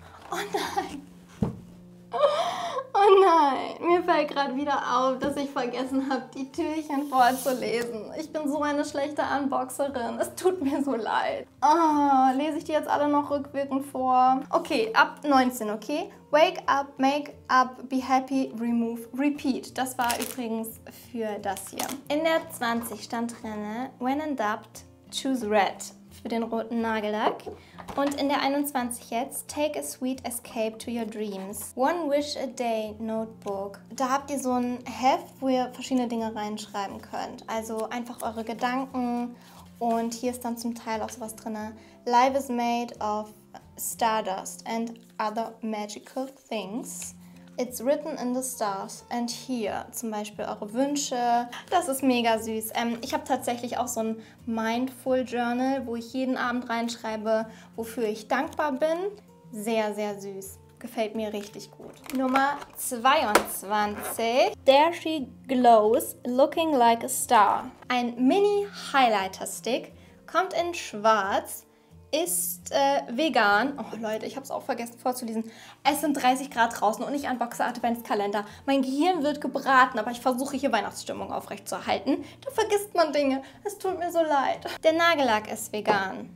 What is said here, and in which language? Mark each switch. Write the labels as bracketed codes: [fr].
[de] Oh nein. Oh nein. Mir fällt gerade wieder auf, dass ich vergessen habe, die Türchen vorzulesen. Ich bin so eine schlechte Unboxerin. Es tut mir so leid. Oh, lese ich die jetzt alle noch rückwirkend vor? Okay, ab 19, okay? [en] Wake up, make up, be happy, remove, repeat. [de] Das war übrigens für das hier. In der 20 stand drin, [en] when in doubt, choose red. [de] Für den roten Nagellack. Und in der 21 jetzt, [en] take a sweet escape to your dreams. One wish a day notebook. [de] Da habt ihr so ein Heft, wo ihr verschiedene Dinge reinschreiben könnt. Also einfach eure Gedanken. Und hier ist dann zum Teil auch sowas drin. [en] Life is made of stardust and other magical things. It's written in the stars and here, [de] zum Beispiel eure Wünsche. Das ist mega süß. Ich habe tatsächlich auch so ein Mindful Journal, wo ich jeden Abend reinschreibe, wofür ich dankbar bin. Sehr, sehr süß. Gefällt mir richtig gut. Nummer 22. [en] There she glows, looking like a star. [de] Ein Mini-Highlighter-Stick, kommt in schwarz. Ist vegan. Oh Leute, ich habe es auch vergessen vorzulesen. Es sind 30 Grad draußen und ich unboxe Adventskalender. Mein Gehirn wird gebraten, aber ich versuche hier Weihnachtsstimmung aufrechtzuerhalten. Da vergisst man Dinge. Es tut mir so leid. Der Nagellack ist vegan.